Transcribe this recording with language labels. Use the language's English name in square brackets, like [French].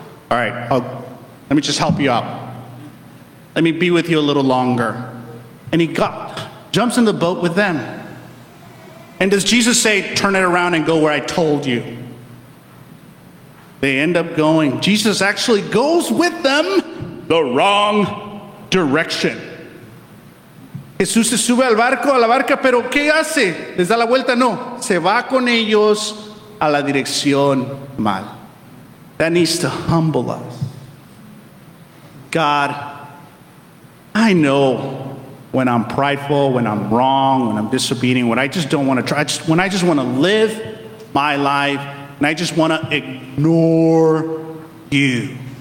[English] All right, let me just help you out. Let me be with you a little longer. And he jumps in the boat with them. And does Jesus say, turn it around and go where I told you? They end up going. Jesus actually goes with them the wrong direction. [Spanish] Jesús se sube al barco, a la barca, pero ¿qué hace? ¿Les da la vuelta? No. Se va con ellos a la dirección mal. [English] That needs to humble us. God, I know when I'm prideful, when I'm wrong, when I'm disobedient, when I just don't want to try, when I just want to live my life, and I just want to ignore you.